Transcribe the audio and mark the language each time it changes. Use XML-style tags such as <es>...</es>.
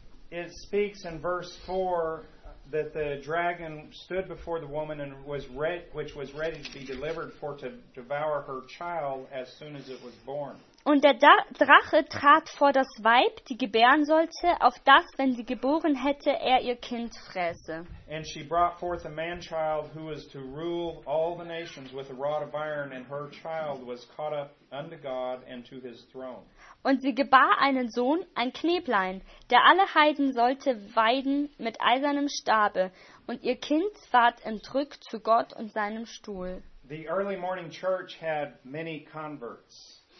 <en>It speaks in verse 4 that the dragon stood before the woman and was ready to be delivered for to devour her child as soon as it was born.</en> <de>Und der Drache trat vor das Weib, die gebären sollte, auf das, wenn sie geboren hätte, er ihr Kind fräße.</de> <en>And she brought forth a man-child who was to rule all the nations with a rod of iron, and her child was caught up unto God and to his throne.</en> <de>Und sie gebar einen Sohn, ein Kneblein, der alle Heiden sollte weiden mit eisernem Stabe, und ihr Kind ward entrückt zu Gott und seinem Stuhl.</de> <en>The early morning church had many converts.</en>